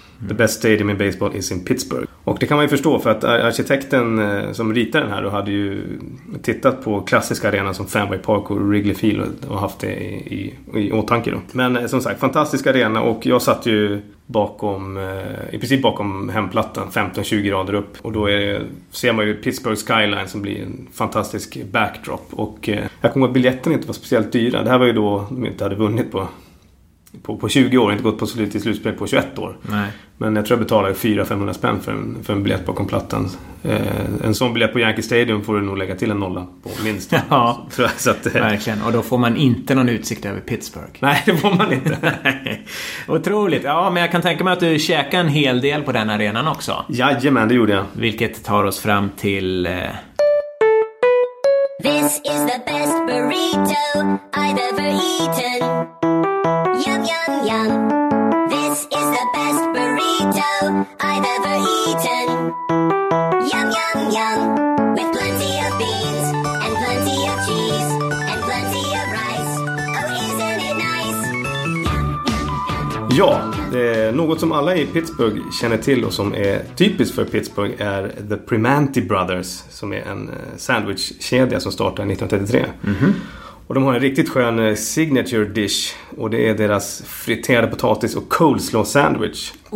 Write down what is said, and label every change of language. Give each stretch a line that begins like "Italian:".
English: The best stadium in baseball is in Pittsburgh."
Swedish: Och det kan man ju förstå, för att arkitekten som ritade den här då hade ju tittat på klassiska arenor som Fenway Park och Wrigley Field och haft det i åtanke då. Men som sagt, fantastisk arena, och jag satt ju bakom hemplattan 15-20 grader upp, och då ser man ju Pittsburgh skyline som blir en fantastisk backdrop. Och jag kommer ihåg att biljetten inte var speciellt dyra. Det här var ju då de inte hade vunnit på på 20 år, inte gått på slutspel på 21 år. Nej. Men jag tror jag betalar 400-500 spänn för en biljett bakom plattan. En sån biljett på Yankee Stadium får du nog lägga till en nolla på minst. Ja, verkligen. Och då får man inte någon utsikt över Pittsburgh. Nej, det får man inte. Otroligt. Ja, men jag kan tänka mig att du käkar en hel del på den arenan också. Jajamän, det gjorde jag. Vilket tar oss fram till...
English: This is the best burrito I've ever eaten. Yum, yum, yum. This is the best burrito I've ever eaten. Yum, yum, yum. With plenty of beans and plenty of cheese and plenty of rice. Oh, isn't it nice? Yum, yum, yum.
Swedish: Något som alla i Pittsburgh känner till och som är typiskt för Pittsburgh är The Primanti Brothers, som är en sandwichkedja som startade 1933. Mm-hmm. Och de har en riktigt skön signature dish, och det är deras friterade potatis och coleslaw sandwich.